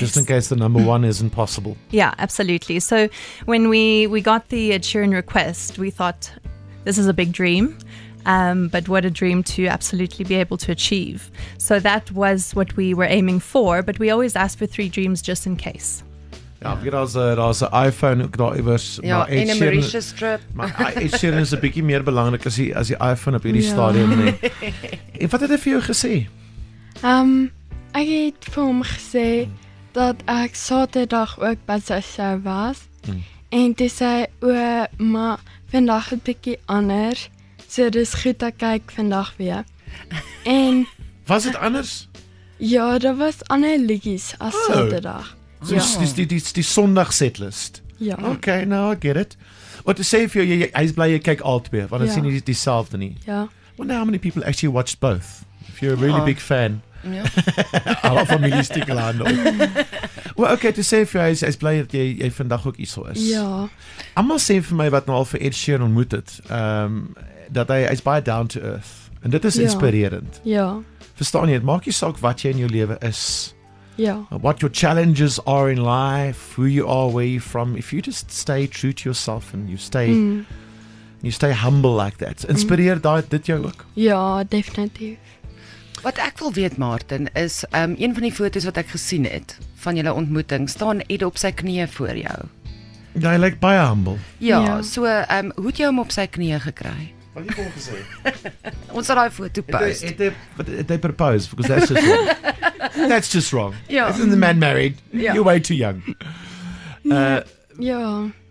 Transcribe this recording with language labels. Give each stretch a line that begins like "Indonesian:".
English: Just in case the number one isn't possible. Yeah, absolutely. So when we got the Sheeran request, we thought, this is a big dream. But what a dream to absolutely be able to achieve. So that was what we were aiming for, but we always ask for three dreams just in case.
Afrikaans: Ja, ek het daar's 'n iPhone ook daar iewers. Ja, maar en 'n Mauritius trip. Maar Ed Sheeran is 'n bietjie meer belangrik as die iPhone op hierdie stadium. En wat het hy vir jou gesê? Ek het vir hom gesê dat ek Saterdag ook by sy show was. En toe sê hy, maar vandag het bietjie anders. So dit is goed, ek kyk vandag weer. En was dit anders? Ja, daar was ander liedjes as Saterdag. So ja. Die Sondag setlist. Ja.
English: Okay, now I get it.
Afrikaans: Wat te sê vir jou, hy is bly jy kyk albei, want dan sien jy dieselfde nie. Ja.
English: Wonder how many people actually watched both. If you're a really big fan.
Afrikaans: Ja. Alle families te klaar.
English: Well, okay, to say for you, I'm glad that you
Afrikaans: vandag ook hier so is. Ja.
English: I must say for my
Afrikaans: wat nou al vir Ed Sheeran ontmoet het, dat hy is baie
English: down to earth.
Afrikaans: En dit is inspirerend. Ja. Verstaan jy, dit maak nie saak wat jy in jou lewe is. Ja.
English: What your challenges are in life, who you are, where you're from, if you just stay true to yourself and you stay humble like that.
Afrikaans: Inspireer dit jou ook? Ja, definitief. Wat ek wil weet, Martin, is een van die foto's wat ek gesien het van julle ontmoeting, staan Ed op sy knieë voor jou. Ja, hy lyk baie humble. Ja, so hoe het jy hom op sy knieë gekry? Wat jy kon gesê? Ons sal daai foto post.
English: They propose, because that's just wrong. That's just wrong. Yeah. Isn't the man married? Yeah. You're way too young. Yeah.